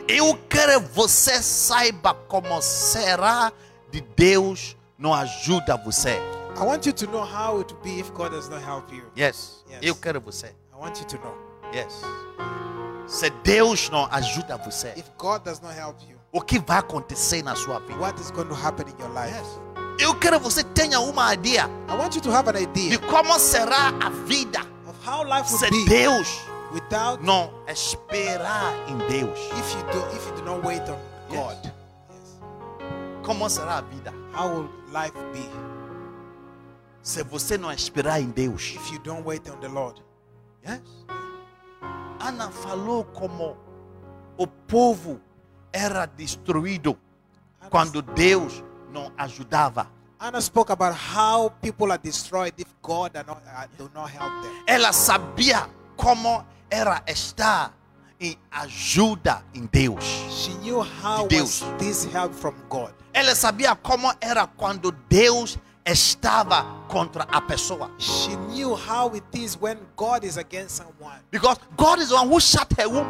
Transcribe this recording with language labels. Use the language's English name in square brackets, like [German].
[Portuguese] Eu quero que você saiba como será de Deus não ajuda você. [English] I want you to know how it will be if God does not help you. Yes. Yes. [Portuguese] Eu quero você. [English] I want you to know. [Portuguese] Yes. Se Deus não ajuda você. [English] If God does not help you. [Portuguese] O que vai acontecer na sua vida? [English] What is going to happen in your life? [Portuguese] Yes. Eu quero que você tenha uma ideia. [English] I want you to have an idea. [Portuguese] De como será a vida. [English] Of how life will [Portuguese] se [English] be. [Portuguese] Se Deus. [English] Without. [Portuguese] Não esperar em Deus. [English] If you do not wait on God. [Portuguese] Yes. Como será a vida? [English] How will life be? [Portuguese] Se você não esperar em Deus. [English] If you don't wait on the Lord. Yes. [Portuguese] Ana falou como o povo era destruído quando Deus não ajudava. [English] Ana spoke about how people are destroyed if God do not help them. [Portuguese] Ela sabia como era estar em ajuda em Deus. [English] She knew how [Portuguese] de Deus. [English] Was this help from God. [Portuguese] Ela sabia como era quando Deus estava contra a pessoa. [English] She knew how it is when God is against someone. Because God is the one who shut her womb.